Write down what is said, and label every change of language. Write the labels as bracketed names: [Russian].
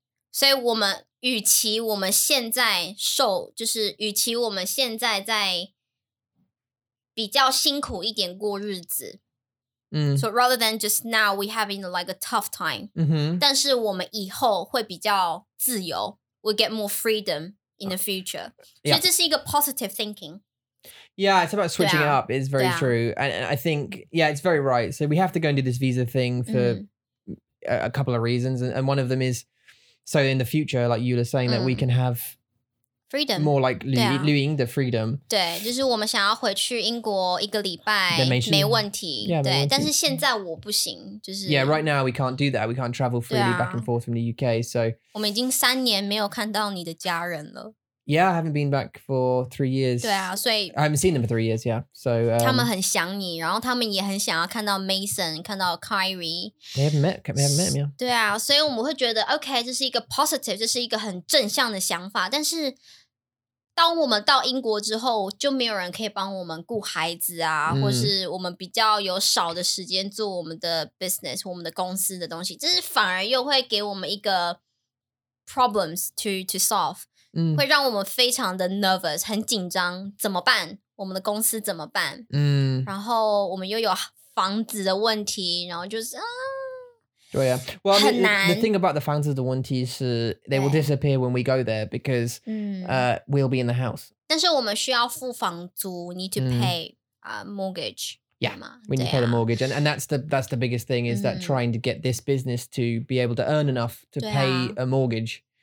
[Chinese] 所以我们, 与其我们现在受, 就是与其我们现在在比较辛苦一点过日子。 [English] So rather than just now, we're having like a tough time. [Chinese] 但是我们以后会比较自由, [English] we'll get more freedom in the future. [Chinese] 所以这是一个 positive thinking. [English] Yeah, it's about switching it up. It's very true. And I think, it's very right. So we have to go and do this visa thing for a couple of reasons. And one of them is, so in the future, like you were saying, that we can have freedom. More like Lu Ying the freedom. [Chinese] 对,就是我们想要回去英国一个礼拜,没问题。对,但是现在我不行, 就是... [English] Yeah, right now we can't do that. We can't travel freely back and forth from the UK, so... [Chinese] 我们已经3年没有看到你的家人了。 [English] Yeah, I haven't been back for 3 years. [Chinese] 对啊，所以 [English] I haven't seen them for 3 years. Yeah, so [Chinese] 他们很想你，然后他们也很想要看到 Mason, 看到 Kyrie. [English] They haven't met him. Yeah. [Chinese] 对啊，所以我们会觉得 okay, 这是一个 positive, 这是一个很正向的想法。但是当我们到英国之后，就没有人可以帮我们顾孩子啊，或是我们比较有少的时间做我们的 business, 我们的公司的东西，这是反而又会给我们一个 [English] problems to solve. [Chinese] 会让我们非常的 nervous 很紧张怎么办我们的公司怎么办嗯，然后我们又有房子的问题然后就是啊对啊 [English] well, [Chinese] 很难 [English] the thing about the [Chinese] 房子的问题是 [English] they will disappear when we go there because、we'll be in the house [Chinese] 但是我们需要付房租 [English] need to pay、mortgage yeah we need to pay the mortgage and that's the biggest thing is、that trying to get this business to be able to earn enough to pay a mortgage